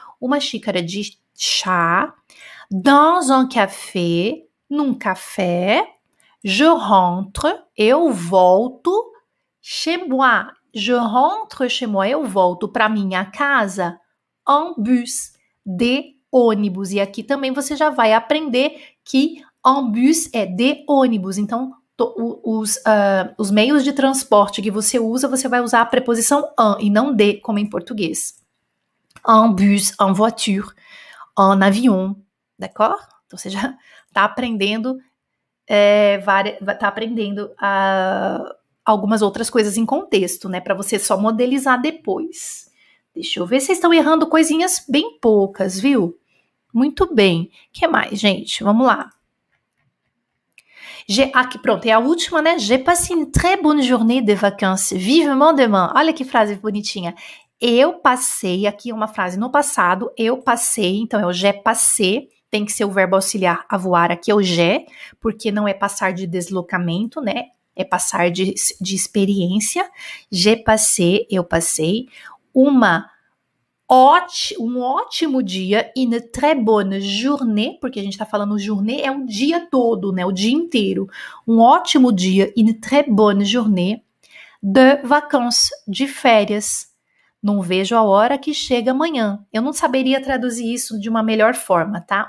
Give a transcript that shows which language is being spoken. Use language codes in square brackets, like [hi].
[pt] Uma xícara de chá, [fr] dans un café, [pt] num café, je rentre, eu volto, chez moi, [fr] je rentre chez moi, [pt] eu volto para minha casa, en bus, de ônibus. E aqui também você já vai aprender que en bus é de ônibus. Então, os meios de transporte que você usa, você vai usar a preposição en e não de, como em português. [fr] En bus, en voiture, en avion. D'accord? [pt] Então, você já está aprendendo, tá aprendendo algumas outras coisas em contexto, né? Para você só modelizar depois. Deixa eu ver se vocês estão errando coisinhas bem poucas, viu? Muito bem. O que mais, gente? Vamos lá. J'ai, aqui, pronto, e a última, né? [fr] J'ai passé une très bonne journée de vacances. Vivement demain. [pt] Olha que frase bonitinha. Eu passei, aqui uma frase no passado, eu passei, então é o j'ai passé, tem que ser o verbo auxiliar avoir, aqui é o j'ai, porque não é passar de deslocamento, né? É passar de experiência. J'ai passé, eu passei, um ótimo dia, [fr] une très bonne journée, [pt] porque a gente tá falando journée, é o dia todo, né? O dia inteiro. Um ótimo dia, [fr] une très bonne journée, [pt] de vacances, de férias. Não vejo a hora que chega amanhã. Eu não saberia traduzir isso de uma melhor forma, tá?